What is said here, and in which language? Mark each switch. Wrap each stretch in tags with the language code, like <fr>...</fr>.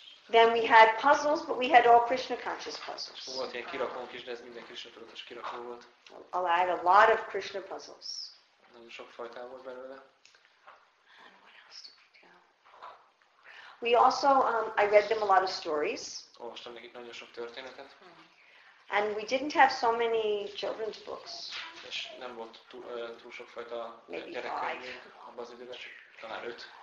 <en>Then we had puzzles, but we had all Krishna conscious puzzles.</en> <hu>Volt ilyen kirakó kis, de ez minden Krishna tudatos kirakó volt.</hu> <en>I had a lot of Krishna puzzles.</en> <hu>Nagyon sok fajta volt belőle.</hu> <en>We also, I read them a lot of stories.</en> <hu>Olvastam nekik nagyon sok történetet.</hu> <en>And we didn't have so many children's books.</en> <hu>És nem volt túl sok fajta gyerekkönyv abban az időben, csak talán öt.</hu>